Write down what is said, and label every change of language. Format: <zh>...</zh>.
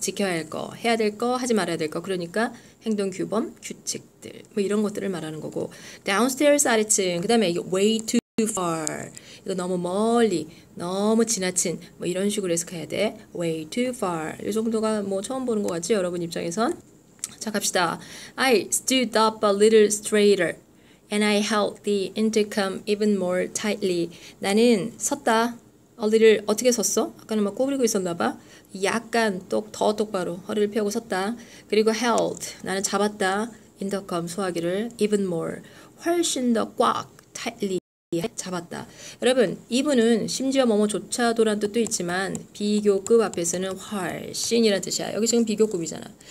<ko>지켜야 할 거, 해야 될 거, 하지 말아야 될 거. 그러니까 행동 규범, 규칙들. 뭐 이런 것들을 말하는 거고. downstairs, 아래층. 그 다음에 이게</ko> <en>way too far.</en> <ko>이거 너무 멀리, 너무 지나친. 뭐 이런 식으로 해석해야 돼.</ko> <en>way too far.</en> <ko>이 정도가 뭐 처음 보는 것 같지? 여러분 입장에선? 자, 갑시다.</ko> <en>I stood up a little straighter and I held the intercom even more tightly.</en> <ko>나는 섰다. A little, 어떻게 섰어? 아까는 막 꼬부리고 있었나 봐. 약간 더 똑바로 허리를 펴고 섰다. 그리고 held, 나는 잡았다. intercom 소화기를 even more, 훨씬 더꽉 tightly 잡았다. 여러분, even은 심지어 뭐뭐조차도란 뜻도 있지만 비교급 앞에서는 훨씬이란 뜻이야. 여기 지금 비교급이잖아.</ko>